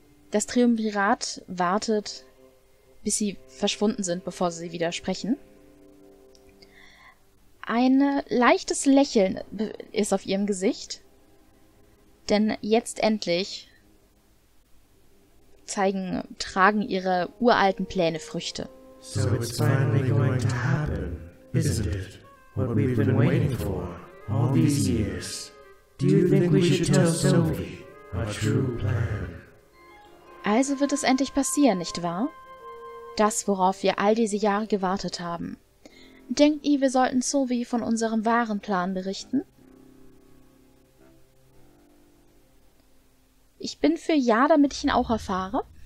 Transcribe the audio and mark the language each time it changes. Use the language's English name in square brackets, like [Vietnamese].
[German] Das Triumvirat wartet, bis sie verschwunden sind, bevor sie wieder sprechen. Ein leichtes Lächeln ist auf ihrem Gesicht, denn jetzt endlich tragen ihre uralten Pläne Früchte. [English] So it's finally going to happen, isn't it? What we've been waiting for all these years. Do you think we should tell Sophie our true plan? [German] Also wird es endlich passieren, nicht wahr? Das, worauf wir all diese Jahre gewartet haben. Denkt ihr, wir sollten Sophie von unserem wahren Plan berichten? Ich bin für ja, damit ich ihn auch erfahre.